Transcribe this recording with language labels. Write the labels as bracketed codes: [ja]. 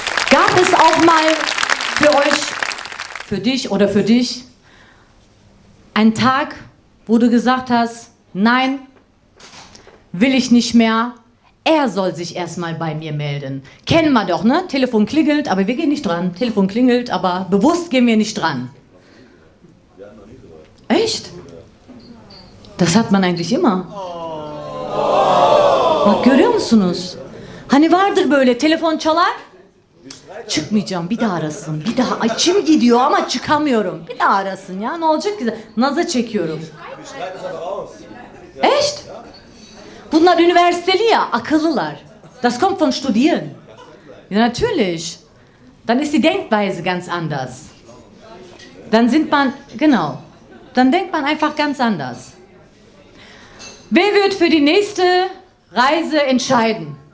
[de] Gab es auch mal für euch, für dich oder für dich, einen Tag, wo du gesagt hast, nein, will ich nicht mehr, er soll sich erstmal bei mir melden. Kennen wir doch, ne? Telefon klingelt, aber wir gehen nicht dran. Telefon klingelt, aber bewusst gehen wir nicht dran. Echt? Das hat man eigentlich immer. [tr] Bak görüyor musunuz? Hani vardır böyle, telefon çalar. Çıkmayacağım, bir daha arasın, bir daha açım gidiyor ama çıkamıyorum. Bir daha arasın ya, ne olacak ki? Naza çekiyorum. [de] Echt? [tr] Bunlar üniversiteli ya, akıllılar. [de] Das kommt von studieren. Ja, natürlich. Dann ist die Denkweise ganz anders. Dann sind man, genau. Dann denkt man einfach ganz anders. Wer wird für die nächste Reise entscheiden?